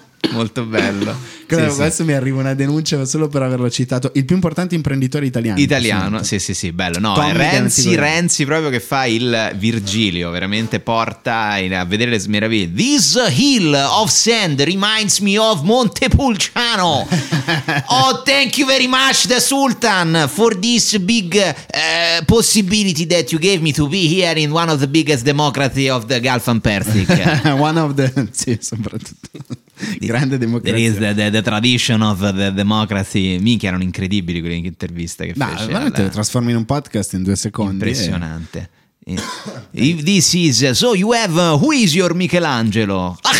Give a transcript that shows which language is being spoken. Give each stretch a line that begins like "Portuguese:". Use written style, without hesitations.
Italian: Molto bello. Sì, adesso sì, mi arriva una denuncia solo per averlo citato. Il più importante imprenditore italiano. Italiano, sì, sì, sì, bello. No, Renzi proprio che fa il Virgilio, veramente porta a vedere le meraviglie.
English: This hill of sand reminds me of Montepulciano. Oh, thank you very much, the Sultan, for this big possibility that you gave me to be here in one of the biggest democracy of the Gulf and Persic. One of the,
Italian: sì, soprattutto. Grande democrazia.
English: There is the tradition of the democracy.
Italian: Minchia, erano incredibili quelle interviste che fece. Ma veramente alla... trasformi in un podcast in due secondi. Impressionante.
English: If this is so, you have who is your Michelangelo?